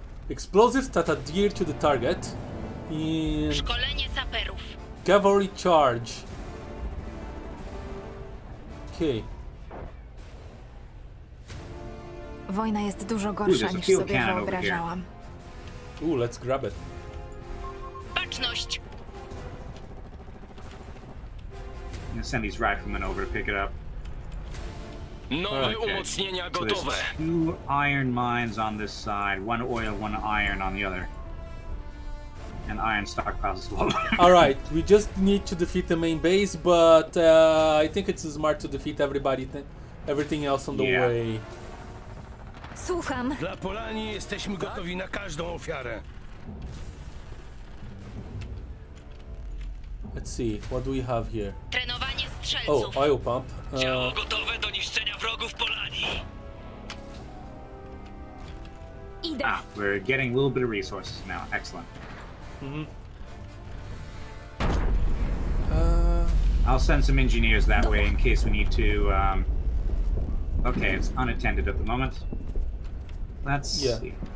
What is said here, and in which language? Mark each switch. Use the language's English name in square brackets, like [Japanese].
[English] Explosives that adhere to the target. [Polish] Szkolenie saperów. [English] Cavalry charge. Okay. [Polish] Wojna jest dużo gorsza niż sobie wyobrażałam. [English] Ooh, let's grab it. [Polish] Baczność. [English] I'm gonna send these riflemen over to pick it up. [Polish] Nowe umocnienia gotowe. [English] So there's two iron mines on this side, one oil, one iron on the other. And iron stockpiles as well. Alright, we just need to defeat the main base, but I think it's smart to defeat everybody, everything else on the way. [Polish] Słucham. Dla Polanii jesteśmy gotowi na każdą ofiarę. [English] Let's see, what do we have here? [Polish] Trenowanie strzelców. [English] Oh, oil pump. [Polish] Ciało gotowe do niszczenia wrogów Polanii. Idę. [English] Ah, we're getting a little bit of resources now. Excellent. Mm-hmm. I'll send some engineers that way in case we need to. Okay, it's unattended at the moment. Let's see.